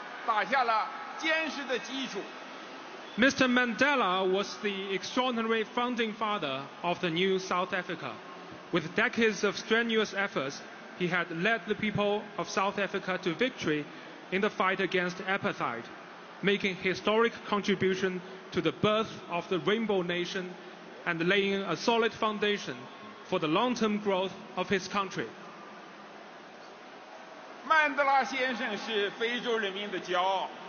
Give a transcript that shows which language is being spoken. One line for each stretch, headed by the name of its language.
Chinese: 曼德拉先生是新南非杰出的缔造者，在漫长的岁月里，他领导南非人民经过艰苦卓绝的努力，取得了反种族隔离斗争的胜利，为彩虹之国的诞生做出了历史性的贡献，为国家的长远发展打下了坚实的基础。
English: Mr. Mandela was the extraordinary founding father of the new South Africa. With decades of strenuous efforts, he had led the people of South Africa to victory in the fight against apartheid, making historic contribution to the birth of the Rainbow Nation and laying a solid foundation for the long-term growth of his country.
Chinese: Mandela先生是非洲人民的骄傲。